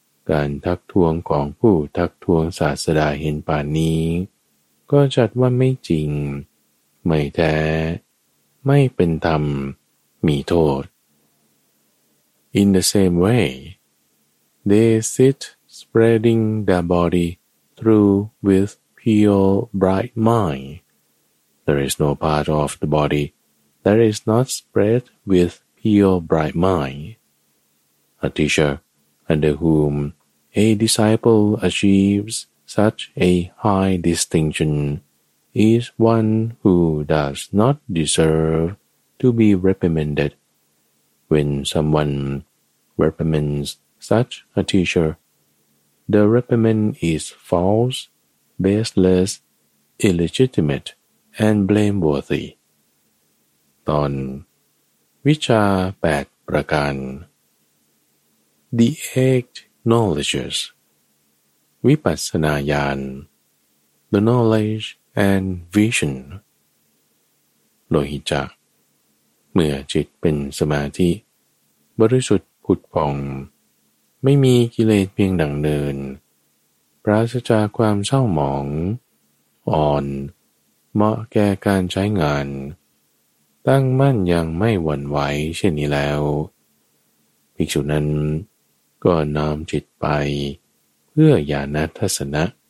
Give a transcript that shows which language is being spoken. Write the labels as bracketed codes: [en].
[th] การทักท้วงของผู้ทักท้วงศาสดาเห็นป่านนี้ก็จัดว่าไม่จริงไม่แท้ไม่เป็นธรรมมีโทษ [en] In the same way, they sit spreading their body through with pure bright mind. There is no part of the body that is not spread with pure bright mind. A teacher under whomA disciple achieves such a high distinction is one who does not deserve to be reprimanded. When someone reprimands such a teacher, the reprimand is false, baseless, illegitimate, and blameworthy. [th] ตอนวิชา8ประการ [en] The eightKnowledges, Vipassanayan, the knowledge and vision. [th] Lohicca, เมื่อจิตเป็นสมาธิบริสุทธิ์ผุดผ่องไม่มีกิเลสเพียงดังเนินปราศจากความเศร้าหมองอ่อนเหมาะแก่การใช้งานตั้งมั่นอย่างไม่หวั่นไหวเช่นนี้แล้วภิกษุนั้นก็น้อมจิตไปเพื่อญาณทัศนะ